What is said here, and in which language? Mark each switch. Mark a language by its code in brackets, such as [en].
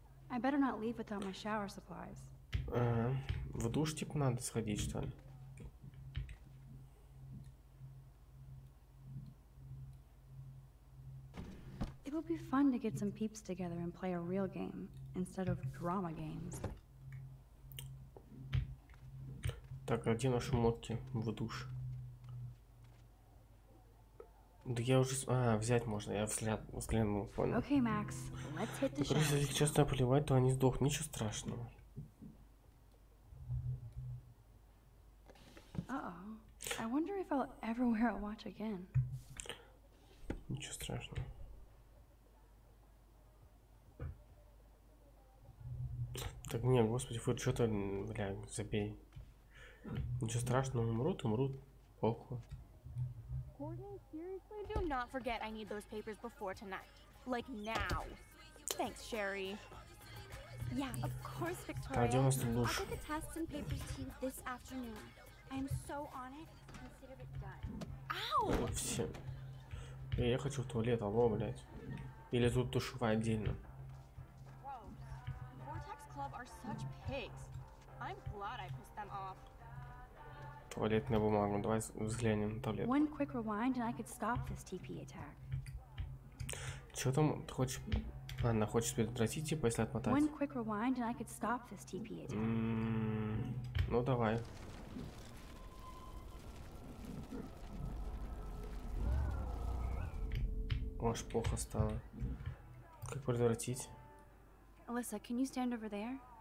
[en] I better not leave without my shower supplies. [ru] В душ, типа, надо сходить, что ли? [en] It will be fun to get some peeps together and play a real game instead of drama games. [ru] Так, а где наши мотки в душ? Да я уже... А, взять можно, я взглянул, понял. Окей, Макс, [en] let's hit the shower. [ru] Короче, если их часто поливать, то они сдохнут, ничего страшного. [en] Uh-oh. I wonder if I'll ever wear a watch again. [ru] Ничего страшного. Так, не, господи, фу, что-то, бля, забей. Ничего страшного, умрут, умрут, похуй. [en] Gordon, seriously, do not forget I need those papers before tonight. Like now. Thanks, Sherry. Yeah, of course, Victoria. [ru] Так, [en] I'll get the tests and papers to you this afternoon. I am so on it. Consider it done. Ow! [ru] Все. Я хочу в туалет, алло, блять. Или тут душевая отдельно. [en] Gross. Vortex Club are such pigs. I'm glad I pissed them off. [ru] Туалетная бумага. Давай взглянем на туалет. [en] One quick rewind and I could stop this TP attack. [ru] Чё там ты хочешь? Ладно, хочешь предотвратить, типа, если отмотать? [en] One quick rewind and I could stop this TP attack. [ru] Ну давай. Аж плохо стало. Как предотвратить? [en] Alyssa, can you stand over there?